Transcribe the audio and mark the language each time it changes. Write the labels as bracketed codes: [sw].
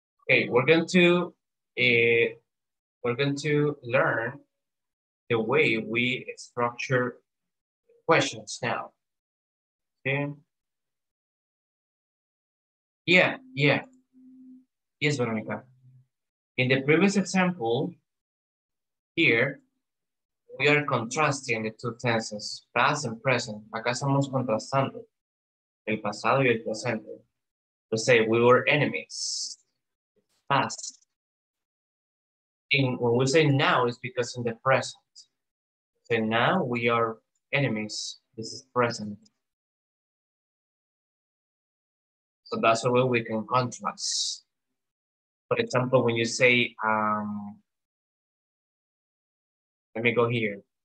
[en] Okay, we're going to learn the way we structure questions now. Okay. Yeah. Yes, Veronica. In the previous example, here we are contrasting the two tenses, past and present. [es] Acá estamos contrastando el pasado y el presente. [en] Let's say we were enemies. Past. When we say now, it's because in the present. So now we are enemies. This is present. So that's the way we can contrast. For example, when you say, let me go here.